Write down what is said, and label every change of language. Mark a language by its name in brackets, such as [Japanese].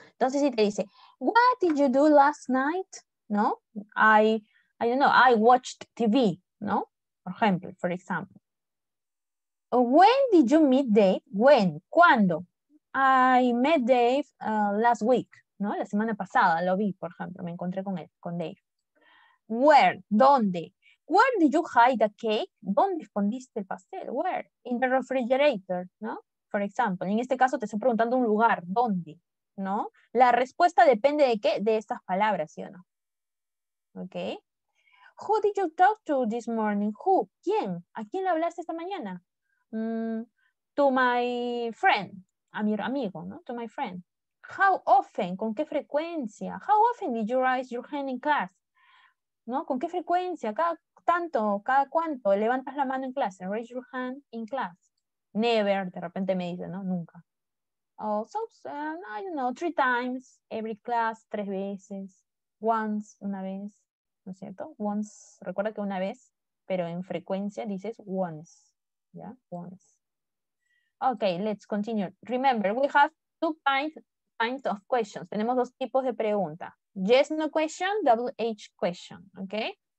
[Spanish] Entonces, si te dice, [English] what did you do last night? No, I don't know, I watched TV, no, for example. When did you meet Dave? When, cuando? I met Dave last week, [Spanish] no, la semana pasada, lo vi, por ejemplo, me encontré con él, con Dave. [English] Where, donde? Where did you hide the cake? [Spanish] ¿Dónde escondiste el pastel? [English] Where? In the refrigerator, no, for example. [Spanish] En este caso te estoy preguntando un lugar, ¿dónde? No, la respuesta depende de qué, de estas palabras, ¿sí o no? [English] Okay. Who did you talk to this morning? Who? ¿Quién? [Spanish] ¿A quién le hablaste esta mañana? [English] To my friend. [Spanish] A mi amigo, ¿no? [English] To my friend. How often? [Spanish] ¿Con qué frecuencia? [English] How often did you raise your hand in class? [Spanish] ¿No? ¿Con qué frecuencia? ¿Cada tanto? ¿Cada cuánto? ¿Levantas la mano en clase? [English] Raise your hand in class. Never, [Spanish] de repente me dice, ¿no? Nunca. [English] Oh, so, I don't know, three times, every class, [Spanish] tres veces. Once, una vez, ¿no es cierto? Once, recuerda que una vez, pero en frecuencia dices once. [English] Yeah, once. Okay, let's continue. Remember, we have two kinds of questions. [Spanish] Tenemos dos tipos de pregunta. [English] Yes, no question, WH question. Okay?